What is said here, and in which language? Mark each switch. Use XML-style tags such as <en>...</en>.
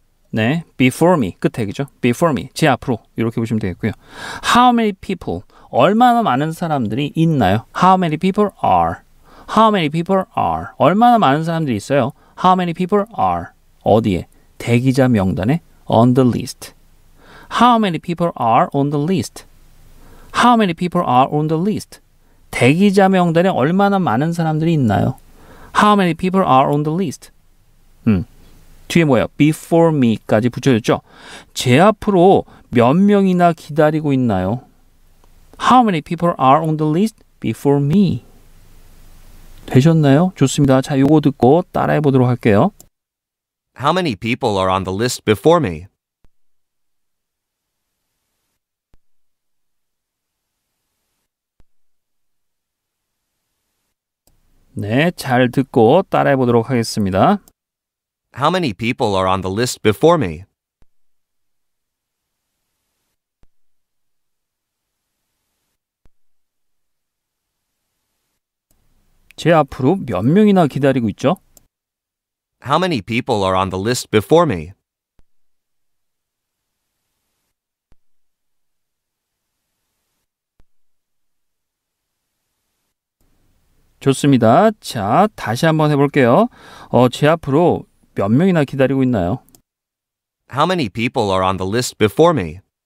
<ko>네.</ko> <en>Before me.</en> <ko>끝에 그죠? Before me. 제 앞으로. 이렇게 보시면 되겠고요.</ko> <en>How many people?</en> <ko>얼마나 많은 사람들이 있나요?</ko> <en>How many people are? How many people are?</en> <ko>얼마나 많은 사람들이 있어요?</ko> <en>How many people are?</en> <ko>어디에? 대기자 명단에?</ko> <en>On the list. How many people are on the list? How many people are on the list?</en> <ko>대기자 명단에 얼마나 많은 사람들이 있나요?</ko> <en>How many people are on the list?</en> <ko>뒤에 뭐예요? Before me까지 붙여줬죠? 제 앞으로 몇 명이나 기다리고 있나요?</ko> <en>How many people are on the list before me?</en> <ko>되셨나요? 좋습니다. 자, 요거 듣고 따라해 보도록 할게요.</ko> <en>How many people are on the list before me?</en> <ko>네, 잘 듣고 따라해 보도록 하겠습니다.</ko> <en>How many people are on the list before me?</en> <ko>제 앞으로 몇 명이나 기다리고 있죠?</ko> <en>How many people are on the list before me?</en> <ko>좋습니다. 자, 다시 한번 해볼게요. 제 앞으로 몇 명이나 기다리고 있나요?</ko> <en>How many people are on the list before me?</en>